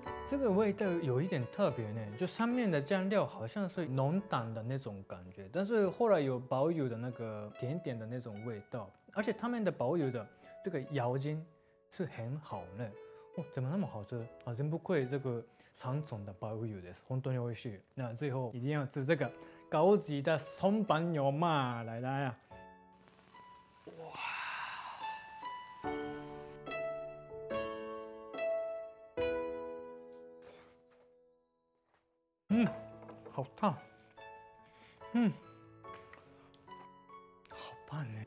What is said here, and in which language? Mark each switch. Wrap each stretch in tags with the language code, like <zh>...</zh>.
<zh>这个味道有一点特别呢，就上面的酱料好像是浓淡的那种感觉，但是后来有鲍鱼的那个甜点的那种味道，而且他们的鲍鱼的这个咬劲是很好呢。哦，怎么那么好吃啊？真不愧这个三种的鲍鱼</zh> <ja>です，本当に美味しい。</ja> <zh>那最后一定要吃这个高级的松板牛嘛，来来呀、啊！哇！嗯，好烫，嗯，好棒哎！</zh>